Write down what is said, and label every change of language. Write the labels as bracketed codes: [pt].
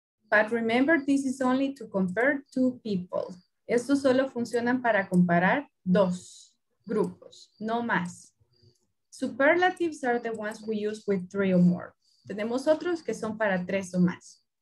[en] But remember, this is only to compare two people. [es] Esto solo funciona para comparar dos grupos, no más. [en] Superlatives are the ones we use with three or more. [es] Tenemos otros que son para tres o más.